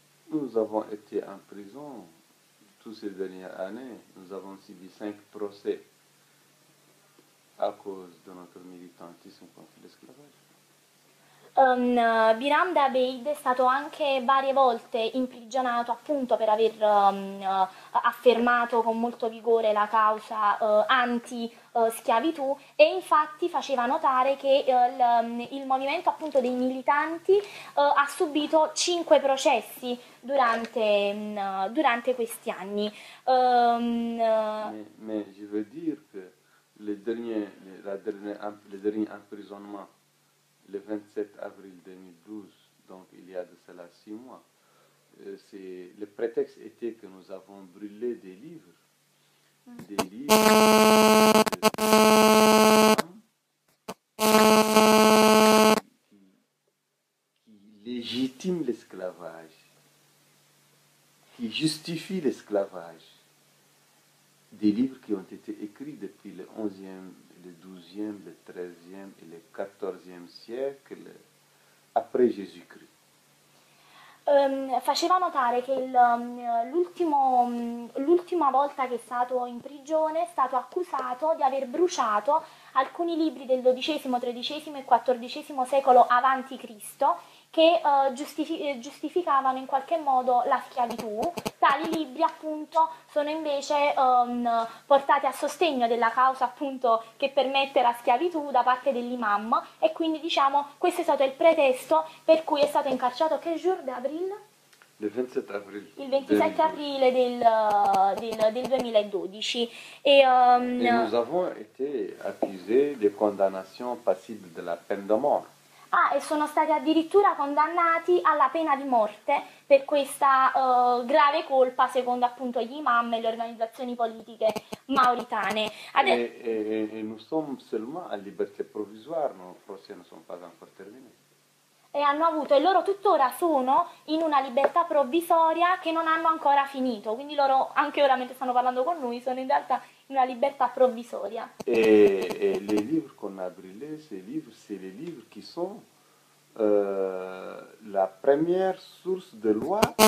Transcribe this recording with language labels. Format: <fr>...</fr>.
<fr>Nous avons été en prison toutes ces dernières années. Nous avons subi 5 procès à cause de notre militantisme contre l'esclavage.</fr> <it>Biram Dabeid è stato anche varie volte imprigionato appunto per aver affermato con molto vigore la causa anti-schiavitù e infatti faceva notare che il movimento appunto dei militanti ha subito 5 processi durante questi anni.</it> <fr>Mais je veux dire que les derniers emprisonnements, le 27 avril 2012, donc il y a de cela 6 mois, c'est le prétexte était que nous avons brûlé des livres légitiment l'esclavage, qui justifient l'esclavage. Des livres qui ont été écrits depuis le 11e, le 12e, le 13e et le 14e siècle après Jésus-Christ.</fr> <it>Faceva notare che l'ultima volta che è stato in prigione è stato accusato di aver bruciato alcuni libri del XII, XIII e XIV secolo avanti Cristo che giustificavano in qualche modo la schiavitù. Tali libri appunto sono invece portati a sostegno della causa appunto che permette la schiavitù da parte dell'imam e quindi diciamo questo è stato il pretesto per cui è stato incarcerato che giorno d'aprile?</it> <fr>Le 27 avril</fr> <it>Il 27</it> <fr>2012.</fr> <it>aprile del 2012</it> <fr>Et nous avons été accusés de condamnation passible de la peine de mort.</fr> <it>Ah, e sono stati addirittura condannati alla pena di morte per questa grave colpa, secondo appunto gli imam e le organizzazioni politiche mauritane.</it> <fr>Et nous sommes seulement à liberté provisoire, nos procès ne sont pas encore terminés.</fr> <it>E hanno avuto, e loro tuttora sono in una libertà provvisoria che non hanno ancora finito. Quindi loro, anche ora mentre stanno parlando con noi, sono in realtà in una libertà provvisoria.</it> <fr>Et les livres qu'on a brûlés, ces livres, c'est les livres qui sont la première source de loi.</fr>